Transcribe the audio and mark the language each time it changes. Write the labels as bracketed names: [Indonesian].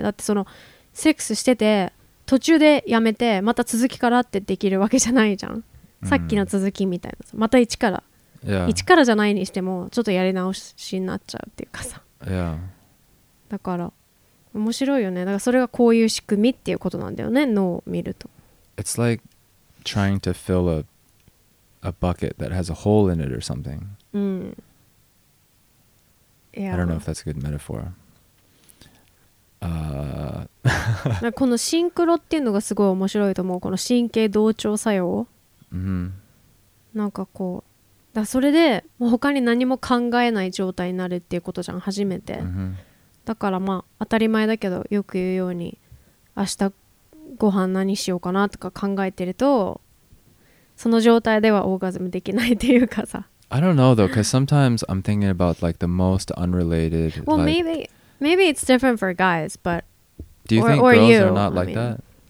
[Japanese] だってそのセックスしてて途中でやめてまた続きからってできるわけじゃないじゃん。 Mm-hmm. さっきの続きみたいな、また一から。 [English] Yeah. [Japanese] 一からじゃないにしてもちょっとやり直しになっちゃうっていうかさ、 [English] yeah. [Japanese] だから面白いよね。だからそれがこういう仕組みっていうことなんだよね、脳を見ると。 [English] It's like trying to fill a bucket that has a hole in it or something、 [Japanese] うん、 [English] yeah. I don't know if that's a good metaphor、 [Japanese] このシンクロっていうのがすごい面白いと思う。この神経同調作用、 mm-hmm. なんかこうだ、それでもう他に何も考えない状態になるっていうことじゃん、初めて、 mm-hmm. だからまあ当たり前だけど、よく言うように明日ご飯何しようかなとか考えてると、その状態ではオーガズムできないっていうかさ。 [English] I don't know though, because sometimes I'm thinking about like the most unrelated well like... maybe it's different for guys, but do you think girls are not like that?